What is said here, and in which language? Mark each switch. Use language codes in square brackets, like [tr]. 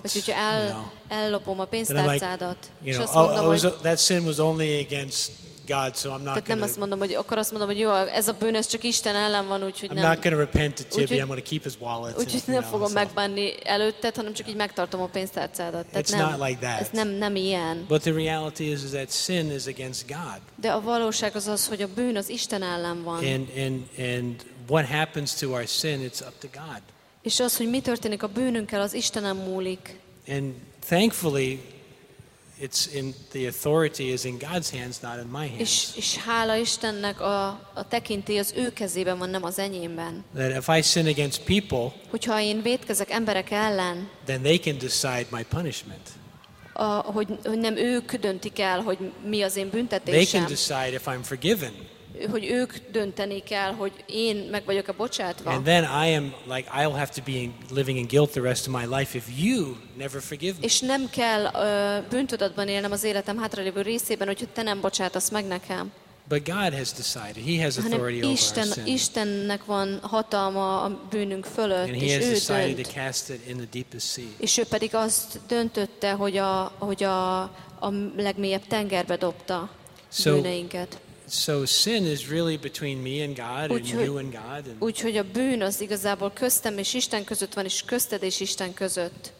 [hu] vagy hogyha ellopom a pénztárcádat, [en] like, you know, és azt mondom, hogy that sin was only against God, so I'm not [hu] gonna, nem azt mondom, hogy akkor azt mondom, hogy jó, ez a bűn, ez csak Isten ellen van, úgyhogy [en] I'm I'm not gonna repent to Tibby, I'm gonna keep his wallet. [hu] Úgyhogy nem fogom megbánni előtted, hanem csak így megtartom a pénztárcádat. [en] It's not like that. [hu] Ez nem ilyen. [en] But the reality is that sin is against God. [hu] De a valóság az, hogy a bűn az Isten ellen van. [en] And what happens to our sin, it's up to God. [hu] És az, hogy mi történik a bűnünkkel, az Istenen múlik. [en] And thankfully, it's in the authority is in God's hands, not in my hands. [hu] És hála Istennek a tekintély az ő kezében van, nem az enyémben. [en] That if I sin against people, [hu] hogyha én vétkezek emberek ellen, [en] then they can decide my punishment. [hu] Hogy nem ők döntik el, hogy mi az én büntetésem. [en] They can decide if I'm forgiven. [hu] Hogy ők döntenék el, hogy én meg vagyok-e bocsátva. [en] And then I am like I'll have to be living in guilt the rest of my life if you never forgive me. [hu] És nem kell bűntudatban élnem az életem hátralévő részében, hogyha te nem bocsátasz meg nekem. [en] But God has decided. He has authority over us. [hu] Istennek van hatalma a bűnünk fölött, [en] and he has decided to cast it in the deepest sea. [hu] És ő pedig azt döntötte, hogy a legmélyebb tengerbe dobta bűneinket. [en] So sin is really between me and God and you and God. [hu] Úgyhogy a bűn az igazából köztem és Isten között van, és közted és Isten között.